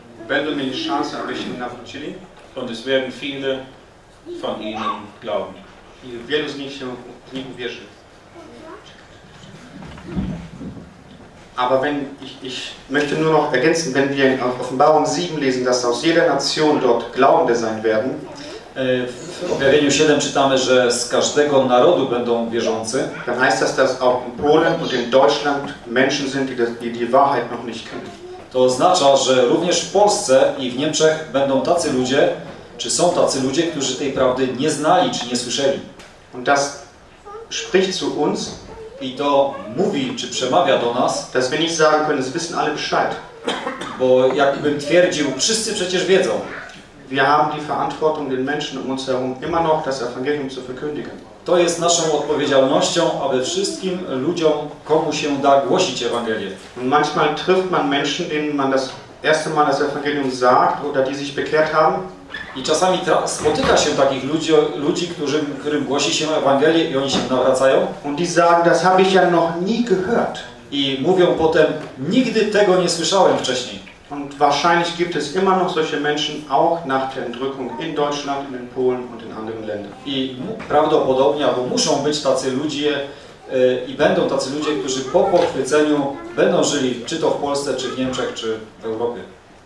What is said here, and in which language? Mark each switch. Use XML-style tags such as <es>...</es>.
<pl>Będą mieli szansę, aby się nawrócili.</pl> <de>Und es werden viele von ihnen glauben.</de> <pl>I wielu z nich się w nich uwierzy.</pl> <de>Aber wenn, ich möchte nur noch ergänzen, wenn wir in Offenbarung 7 lesen, dass aus jeder Nation dort Glaubende sein werden.</de> <pl>W Objawieniu 7 czytamy, że z każdego narodu będą wierzący.</pl> <de>Dann heißt das, dass auch in Polen und in Deutschland Menschen sind, die Wahrheit noch nicht kennen.</de> <pl>To oznacza, że również w Polsce i w Niemczech będą tacy ludzie, czy są tacy ludzie, którzy tej prawdy nie znali, czy nie słyszeli.</pl> <de>Und das spricht zu uns.</de> <pl>I to mówi, czy przemawia do nas.</pl> <de>Dass wir nicht sagen können, sie wissen alle Bescheid.</de> <pl>Bo jakbym twierdził, wszyscy przecież wiedzą.</pl> <de>Wir haben die Verantwortung, den Menschen um uns herum immer noch das Evangelium zu verkündigen.</de> <pl>To jest naszą odpowiedzialnością, aby wszystkim ludziom, komu się da, głosić Ewangelię.</pl> <de>Und manchmal trifft man Menschen, denen man das erste Mal das Evangelium sagt oder die sich bekehrt haben.</de> <pl>I czasami spotyka się takich ludzi, którym głosi się Ewangelię i oni się nawracają.</pl> <de>Und die sagen, das habe ich ja noch nie gehört.</de> <pl>I mówią potem, nigdy tego nie słyszałem wcześniej.</pl> <de>Und wahrscheinlich gibt es immer noch solche Menschen auch nach der Entrückung in Deutschland, in Polen und in anderen Ländern.</de> <pl>I prawdopodobnie, bo muszą być tacy ludzie i będą tacy ludzie, którzy po pochwyceniu będą żyli czy to w Polsce, czy w Niemczech, czy w Europie.</pl>